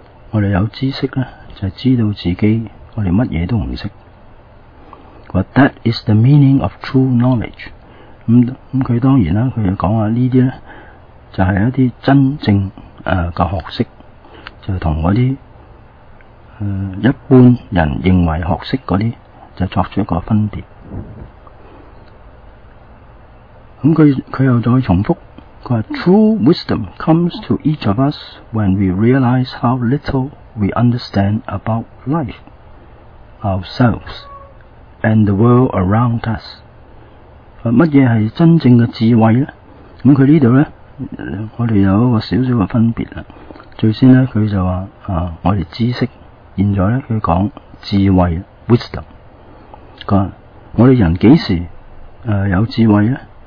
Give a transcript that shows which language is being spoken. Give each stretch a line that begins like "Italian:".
Cantonese: 我哋有知識咧，就係知道自己我哋乜嘢都唔識。
English: But that is the meaning of true knowledge。
Cantonese: 咁佢當然啦，佢就講話呢啲咧，就係一啲真正嘅學識，就同嗰啲一般人認為學識嗰啲，就作出一個分別。咁佢又再重複，佢話
English: true wisdom comes to each of us when we realize how little we understand about life, ourselves, and the world around us。
Cantonese: 乜嘢係真正嘅智慧咧？咁佢呢度咧，我哋有一個少少嘅分別啦。最先咧，佢就話我哋知識。現在咧，佢講智慧 wisdom。佢話我哋人幾時有智慧咧？